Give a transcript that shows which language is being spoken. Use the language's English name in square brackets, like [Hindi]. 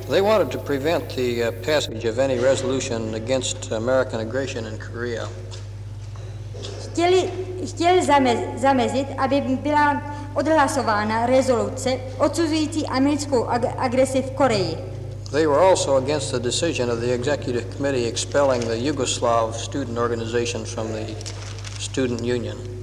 [English] They wanted to prevent the passage of any resolution against American aggression in Korea. [Czech] Chtěli zamezit, aby byla odhlasována rezoluce odsuzující americkou agresi v Koreji. [English] They were also against the decision of the executive committee expelling the Yugoslav student organization from the student union.